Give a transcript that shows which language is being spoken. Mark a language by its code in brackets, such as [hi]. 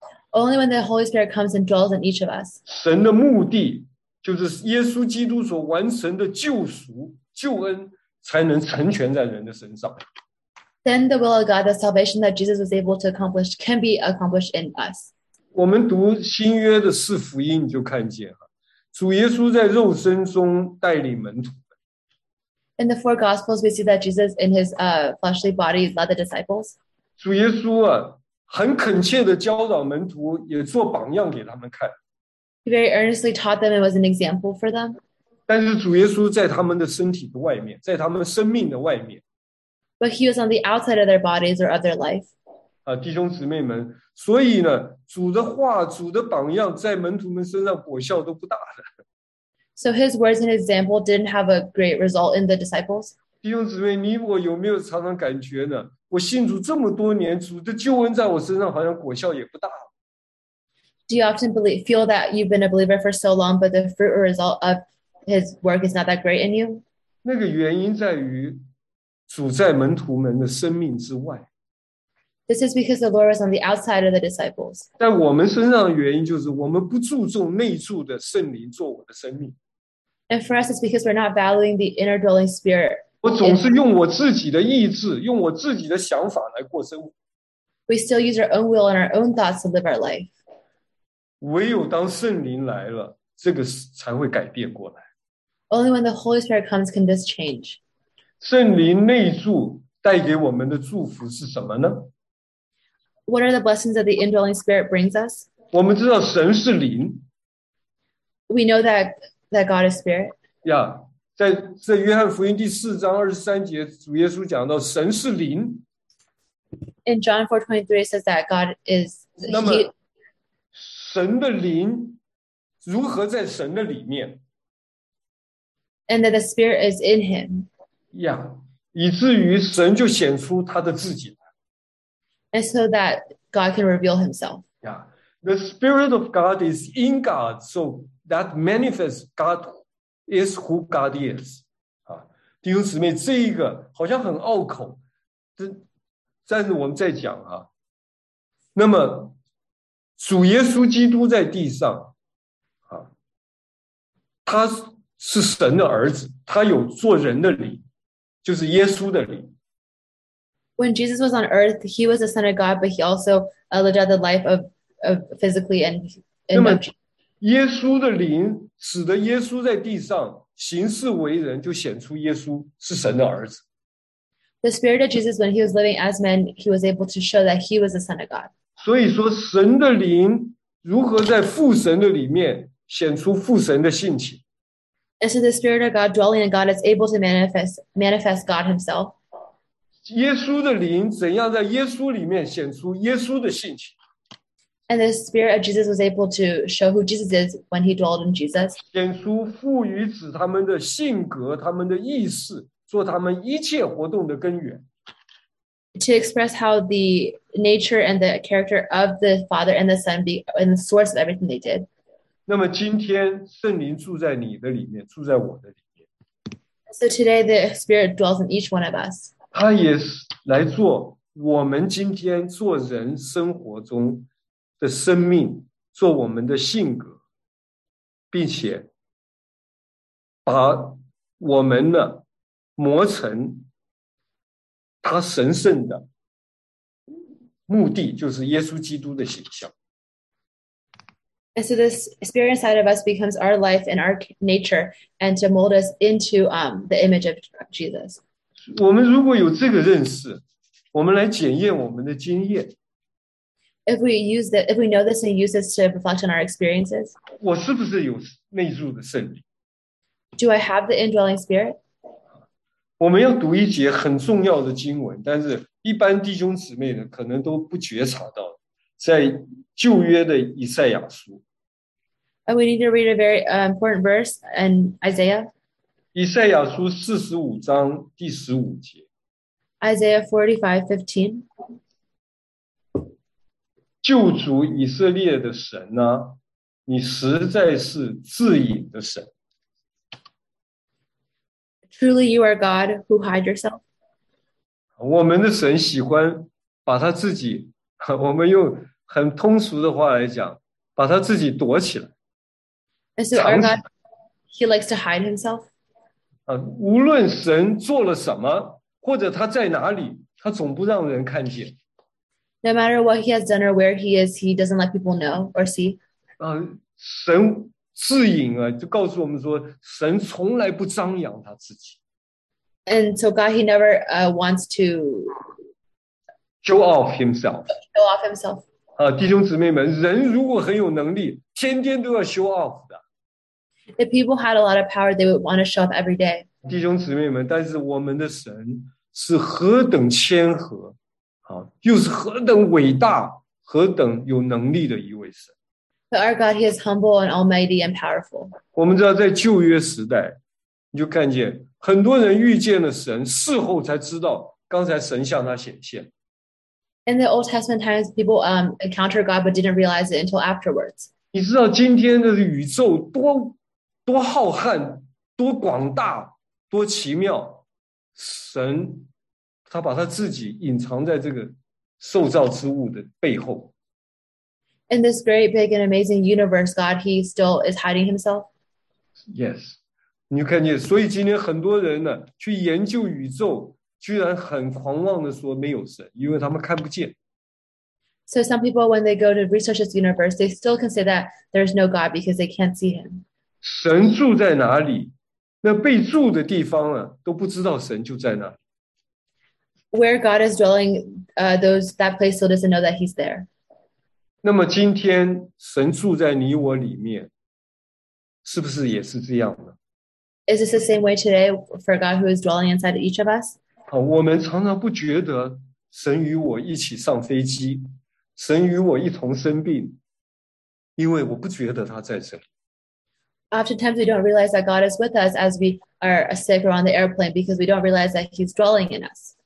[en] Only when the Holy Spirit comes and dwells in each of us. [zh] 神的目的就是耶稣基督所完成的救赎救恩才能成全在人的身上。 [en] Then the will of God, the salvation that Jesus was able to accomplish, can be accomplished in us. [zh] 我们读新约的四福音，你就看见了，主耶稣在肉身中带领门徒。 [en] In the four Gospels, we see that Jesus, in his fleshly body, led the disciples. [zh] 主耶稣啊，很恳切的教导门徒，也做榜样给他们看。 [en] He very earnestly taught them and was an example for them. [zh] 但是主耶稣在他们的身体的外面，在他们生命的外面。 [en] But he was on the outside of their bodies or of their life. [zh] 啊，弟兄姊妹们，所以呢，主的话，主的榜样，在门徒们身上果效都不大的。 [en] So his words and example didn't have a great result in the disciples. [zh] 弟兄姊妹，你我有没有常常感觉呢？我信主这么多年，主的救恩在我身上好像果效也不大。 [en] Do you often believe, feel that you've been a believer for so long, but the fruit or result of his work is not that great in you? [zh] 那个原因在于主在门徒们的生命之外。 [en] This is because the Lord was on the outside of the disciples. [zh] 在我们身上的原因就是我们不注重内住的圣灵做我的生命。 [en] And for us, it's because we're not valuing the inner dwelling spirit. [zh] 我总是用我自己的意志，用我自己的想法来过生活。 [en] We still use our own will and our own thoughts to live our life. [zh] 唯有当圣灵来了，这个才会改变过来。 [en] Only when the Holy Spirit comes can this change. [zh] 圣灵内住带给我们的祝福是什么呢？ [en] What are the blessings that the indwelling spirit brings us? [zh] 我们知道神是灵。 [en] We know that God is spirit. [zh] Yeah, 在约翰福音第四章二十三节，主耶稣讲到神是灵。 [en] In John 4:23 says that God is. [zh] 那么，神的灵如何在神的里面。 [en] And that the Spirit is in him. [zh] Yeah, 以至于神就显出他的自己来。 [en] And so that God can reveal himself. Yeah, the Spirit of God is in God, so that manifests God is who God is. [zh] 弟兄姊妹，这一个好像很拗口，但是我们在讲啊。那么，主耶稣基督在地上，他是神的儿子，他有做人的灵，就是耶稣的灵。 [en] When Jesus was on earth, he was the Son of God, but he also lived out the life of physically and. [zh] 那么，耶稣的灵使得耶稣在地上行事为人，就显出耶稣是神的儿子。 [en] The Spirit of Jesus, when he was living as man, he was able to show that he was the Son of God. [zh] 所以说，神的灵如何在父神的里面显出父神的性情。 [en] And so the Spirit of God dwelling in God is able to manifest God himself. [zh] 耶稣的灵怎样在耶稣里面显出耶稣的性情。 [en] And the Spirit of Jesus was able to show who Jesus is when he dwelled in Jesus. [zh] 显出父与子他们的性格，他们的意识，做他们一切活动的根源。 [en] To express how the nature and the character of the Father and the Son be and the source of everything they did. [zh] 那么今天圣灵住在你的里面，住在我的里面。 [en] So today the Spirit dwells in each one of us. [zh] 他也是来做我们今天做人生活中的生命，做我们的性格，并且把我们呢磨成他神圣的目的，就是耶稣基督的形象。 [en] And so this spirit inside of us becomes our life and our nature, and to mold us into the image of Jesus. [zh] 我们如果有这个认识，我们来检验我们的经验。 [en] If we use that, if we know this and use this to reflect on our experiences, [zh] 我是不是有内住的圣灵？ [en] Do I have the indwelling spirit? [zh] 我们要读一节很重要的经文，但是一般弟兄姊妹呢，可能都不觉察到，在旧约的以赛亚书。 [en] And we need to read a very important verse in Isaiah. [zh] 以赛亚书四十五章第十五节。 [en] Isaiah 45:15. [zh] 救主以色列的神啊，你实在是至隐的神。 [en] Truly you are God who hide yourself. [zh] 我们的神喜欢把他自己，我们用很通俗的话来讲，把他自己躲起来。 [en] And so our God, he likes to hide himself. [zh] 无论神做了什么，或者他在哪里，他总不让人看见。 [en] No matter what he has done or where he is, he doesn't let people know or see. [zh] 神自隐啊，就告诉我们说，神从来不张扬他自己。 [en] And so God, he never wants to show off himself. Show off himself. [zh] 弟兄姊妹们，人如果很有能力，天天都要 [en] show off [zh] 的。 [en] If people had a lot of power, they would want to show off every day. [zh] 弟兄姊妹们，但是我们的神是何等谦和。又是何等伟大，何等有能力的一位神。 [en] But our God, he is humble and almighty and powerful. [zh] 我们知道在旧约时代，你就看见很多人遇见了神，事后才知道刚才神向他显现。 [en] In the Old Testament times, people encounter God but didn't realize it until afterwards. [zh] 你知道今天的宇宙多浩瀚，多广大，多奇妙，神他把他自己隐藏在这个受造之物的背后。 [en] In this great, big, and amazing universe, God, he still is hiding himself. Yes. [zh] 你看见，所以今天很多人呢，去研究宇宙，居然很狂妄地说没有神，因为他们看不见。 [en] So some people, when they go to research this universe, they still can say that there's no God because they can't see him. [zh] 神住在哪里？那被住的地方呢，都不知道神就在哪里。 [en] Where God is dwelling, that place still doesn't know that He's there. [zh] 那么今天神住在你我里面，是不是也是这样呢？ [en] Is this the same way today for God who is dwelling inside each of us? [zh] 我们常常不觉得神与我一起上飞机，神与我一同生病，因为我不觉得他在这里。 [en] Oftentimes, we don't realize that God is with us as we are sick or on the airplane because we don't realize that He's dwelling in us.